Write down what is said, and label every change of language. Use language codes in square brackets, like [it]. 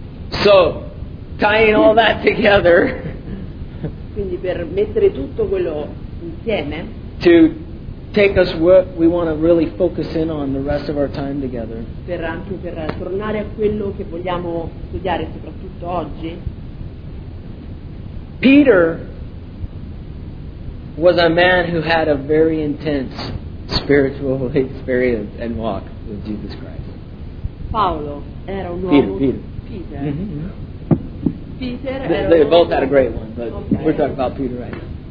[en] So, tying all that together, [it] quindi per mettere tutto quello insieme, [en] to take us what we want to really focus in on the rest of our time together, [it] per anche per tornare a quello che vogliamo studiare soprattutto oggi. [en] Peter was a man who had a very intense spiritual experience and walk with Jesus Christ. [it] Paolo era un [en] Peter. Mm-hmm. Peter. They both had a great one, but okay. We're talking about Peter right now.